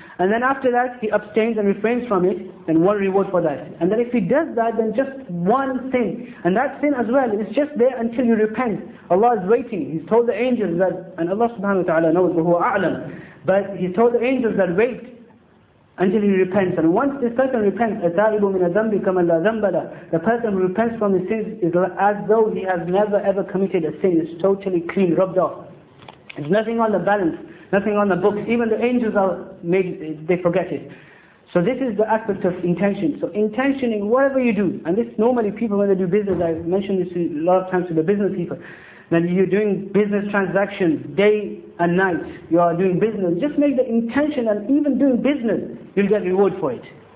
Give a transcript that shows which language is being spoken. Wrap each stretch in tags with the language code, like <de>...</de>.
<en>And then after that, he abstains and refrains from it, then one reward for that. And then if he does that, then just one sin. And that sin as well, is just there until you repent. Allah is waiting. He's told the angels that, and Allah subhanahu wa ta'ala knows,</en> <ar>وَهُوَ أَعْلَمُ.</ar> <en>But he told the angels that wait until he repents. And once this person repents,</en> <ar>أَتَائِبُ مِنَ ذَنْبِكَ مَنْ لَا ذَنْبَ لَهُ.</ar> <en>The person who repents from his sins is as though he has never ever committed a sin. It's totally clean, rubbed off. There's nothing on the balance, nothing on the books. Even the angels are made, they forget it. So this is the aspect of intention. So intentioning, whatever you do, and this normally people when they do business, I've mentioned this a lot of times to the business people, then you're doing business transactions day and night, you are doing business, just make the intention, and even doing business, you'll get reward for it.</en>